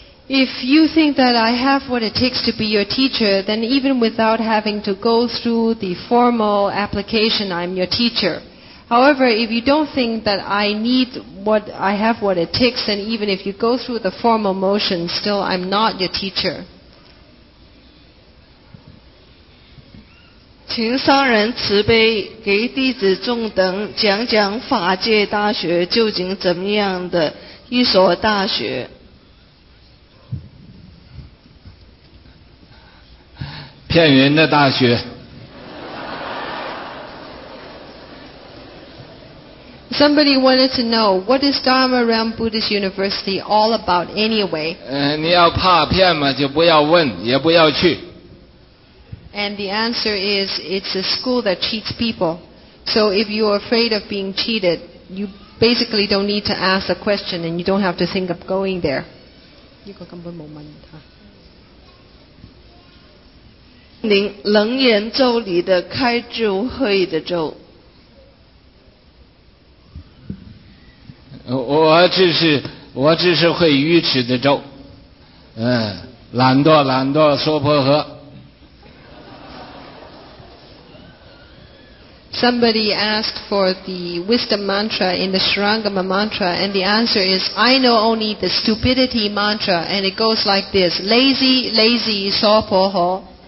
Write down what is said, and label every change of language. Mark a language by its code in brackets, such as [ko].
[en] If you think that I have what it takes to be your teacher, then even without having to go through the formal application, I'm your teacher. However, if you don't think that I have what it takes, then even if you go through the formal motion, still I'm not your teacher. [zh] 请上人慈悲，给弟子众等讲讲法界大学究竟怎么样的一所大学。骗人的大学。 [en] Somebody wanted to know, what is Dharma Realm Buddhist University all about anyway? [zh] 你要怕骗嘛，就不要问，也不要去。 [en] And the answer is, it's a school that cheats people. So if you're afraid of being cheated, you basically don't need to ask a question and you don't have to think of going there. [zh] 这个根本没问他。您楞严咒里的开智慧的咒，我只是会愚痴的咒，懒惰娑婆诃。 [en] Somebody asked for the wisdom mantra in the Sharangama mantra, and the answer is, I know only the stupidity mantra, and it goes like this: lazy, lazy, 娑婆诃。